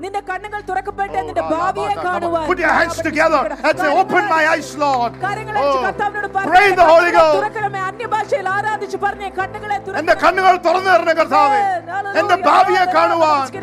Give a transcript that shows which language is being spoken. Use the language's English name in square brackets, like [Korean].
[Malayalam] നിന്റെ കണ്ണുകൾ തുറക്കപ്പെട്ടെ നിന്റെ ഭാവിയെ കാണുവാൻ. [English] Put your hands together and say, open my eyes, Lord. [Malayalam] കാര്യങ്ങളെ കർത്താവിനോട് പറ [English] Pray the Holy Ghost. [Malayalam] തുറക്കണമേ അന്യഭാഷയിൽ ആരാധിച്ച് പറഞ്ഞേ കണ്ണുകളെ തുറ എന്റെ കണ്ണുകൾ തുറന്നു തരണേ കർത്താവേ എന്റെ ഭാവിയെ കാണുവാൻ